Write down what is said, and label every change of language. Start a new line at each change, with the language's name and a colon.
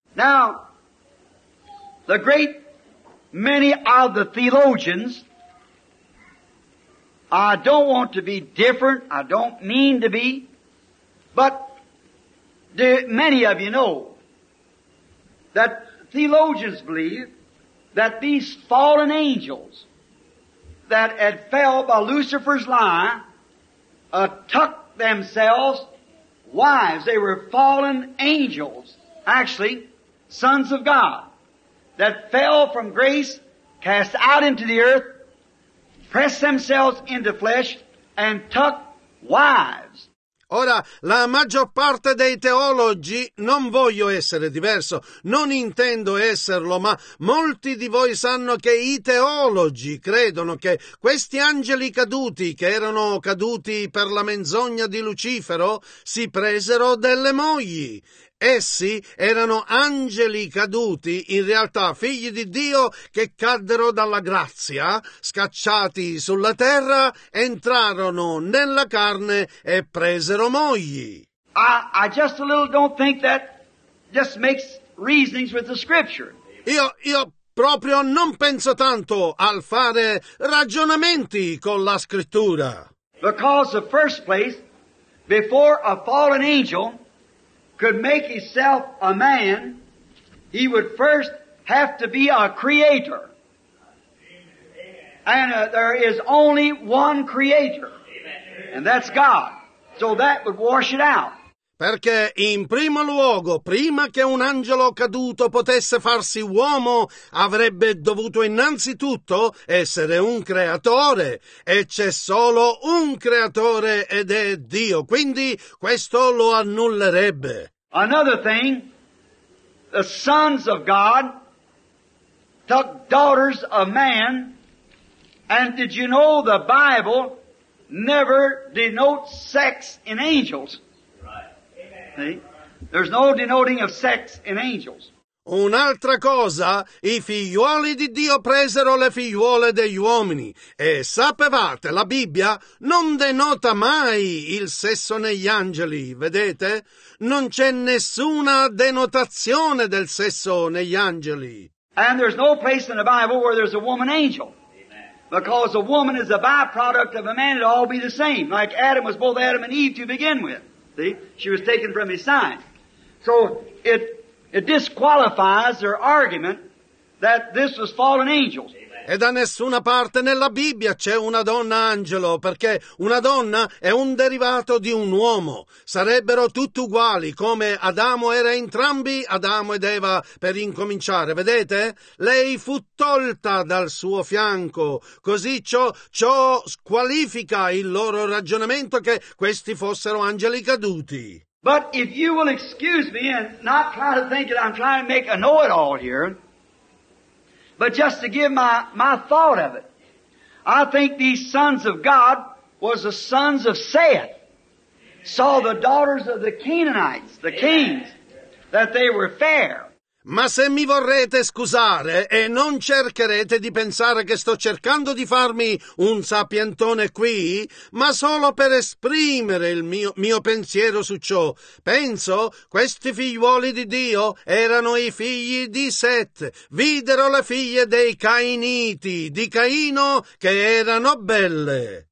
English: Now, the great many of the theologians, I don't want to be different, I don't mean to be, but many of you know that theologians believe that these fallen angels that had fell by Lucifer's lie took themselves wives. They were fallen angels, actually, sons of God, that fell from grace, cast out into the earth, press themselves into flesh and took wives.
Italian: Ora, la maggior parte dei teologi, non voglio essere diverso, non intendo esserlo, ma molti di voi sanno che i teologi credono che questi angeli caduti, che erano caduti per la menzogna di Lucifero, si presero delle mogli. Essi erano angeli caduti, in realtà figli di Dio, che caddero dalla grazia, scacciati sulla terra, entrarono nella carne e presero mogli.
English: I just a little don't think that just makes reasonings with the scripture.
Italian: Io proprio non penso tanto al fare ragionamenti con la scrittura.
English: Because the first place, before a fallen angel could make himself a man, he would first have to be a creator. And there is only one creator, and that's God. So that would wash it out.
Italian: Perché in primo luogo, prima che un angelo caduto potesse farsi uomo, avrebbe dovuto innanzitutto essere un creatore, e c'è solo un creatore ed è Dio, quindi questo lo annullerebbe.
English: Another thing, the sons of God took daughters of man, and did you know the Bible never denotes sex in angels? Right. Amen. See? There's no denoting of sex in angels.
Italian: Un'altra cosa, i figliuoli di Dio presero le figliuole degli uomini. E sapevate, la Bibbia non denota mai il sesso negli angeli, vedete? Non c'è nessuna denotazione del sesso negli angeli.
English: And there's no place in the Bible where there's a woman angel. Because a woman is a byproduct of a man, it'll all be the same. Like Adam was both Adam and Eve to begin with. See? She was taken from his side. So it disqualifies their argument that this was fallen angels.
Italian: E da nessuna parte nella Bibbia c'è una donna angelo, perché una donna è un derivato di un uomo. Sarebbero tutti uguali, come Adamo era entrambi, Adamo ed Eva, per incominciare. Vedete? Lei fu tolta dal suo fianco. Così ciò squalifica il loro ragionamento che questi fossero angeli caduti.
English: But if you will excuse me and not try to think that I'm trying to make a know-it-all here, but just to give my thought of it, I think these sons of God was the sons of Seth. Saw the daughters of the Canaanites, the kings, that they were fair.
Italian: Ma se mi vorrete scusare e non cercherete di pensare che sto cercando di farmi un sapientone qui, ma solo per esprimere il mio pensiero su ciò, penso questi figliuoli di Dio erano i figli di Seth, videro le figlie dei Cainiti, di Caino, che erano belle.